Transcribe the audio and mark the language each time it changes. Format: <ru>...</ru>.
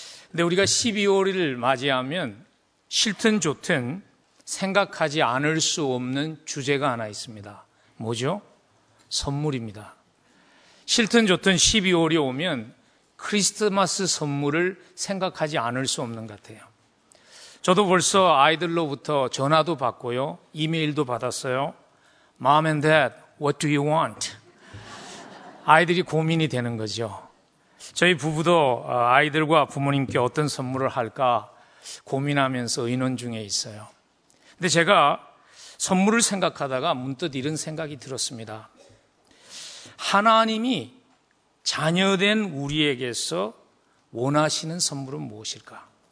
<ko>근데 우리가 12월을 맞이하면 싫든 좋든 생각하지 않을 수 없는 주제가 하나 있습니다. 뭐죠? 선물입니다. 싫든 좋든 12월이 오면 크리스마스 선물을 생각하지 않을 수 없는 것 같아요. 저도 벌써 아이들로부터 전화도 받고요. 이메일도 받았어요.</ko> <en>Mom and Dad, what do you want?</en> <ko>아이들이 고민이 되는 거죠. 저희 부부도 아이들과 부모님께 어떤 선물을 할까 고민하면서 의논 중에 있어요. 근데 제가 선물을 생각하다가 문득 이런 생각이 들었습니다. 하나님이 자녀된 우리에게서 원하시는 선물은 무엇일까?</ko>